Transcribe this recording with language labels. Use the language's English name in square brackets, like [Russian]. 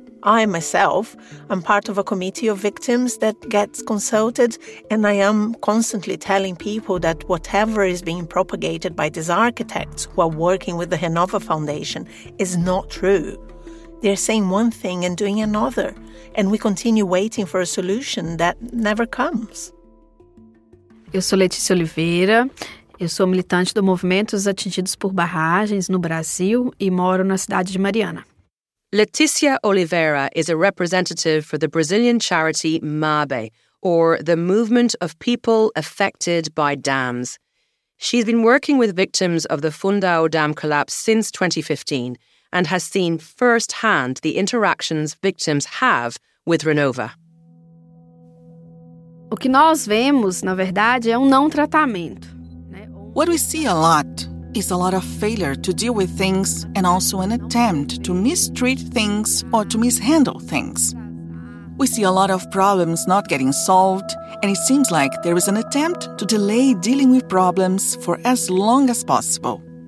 [English] I, myself, am part of a committee of victims that gets consulted, and I am constantly telling people that whatever is being propagated by these architects who are working with the Renova Foundation is not true. They're saying one thing and doing another, and we continue waiting for a solution that never comes. [Portuguese] Eu sou Letícia Oliveira. Eu sou militante do Movimentos Atingidos por Barragens no Brasil e moro na cidade de Mariana. [English] Letícia Oliveira is a representative for the Brazilian charity MABE, or the Movement of People Affected by Dams. She's been working with victims of the Fundão Dam collapse since 2015 and has seen firsthand the interactions victims have with Renova. [Portuguese] O que nós vemos, na verdade, é não tratamento. [English] What we see a lot is a lot of failure to deal with things and also an attempt to mistreat things or to mishandle things. We see a lot of problems not getting solved, and it seems like there is an attempt to delay dealing with problems for as long as possible.